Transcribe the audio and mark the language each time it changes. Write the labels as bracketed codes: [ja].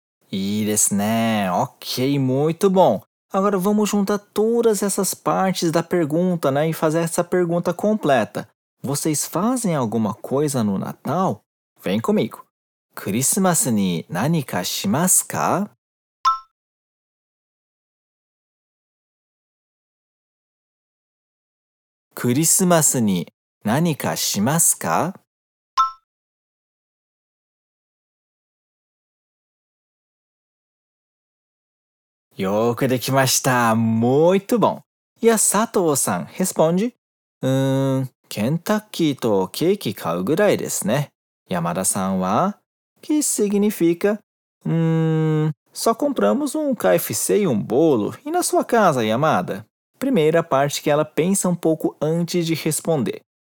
[ja] いいですね。 [pt] OK, muito bom. Agora vamos juntar todas essas partes da pergunta, né, e fazer essa pergunta completa. Vocês fazem alguma coisa no Natal? Vem comigo. [ja] クリスマスに何かしますか？クリスマスに何かしますか？よくできました。 [pt] Muito bom. [ja] いや、佐藤さん、responde. ケンタッキーとケーキ買うぐらいですね。山田さんは、 [pt] que significa? Só compramos um KFC e um bolo. E na sua casa, Yamada? Primeira parte que ela pensa um pouco antes de responder.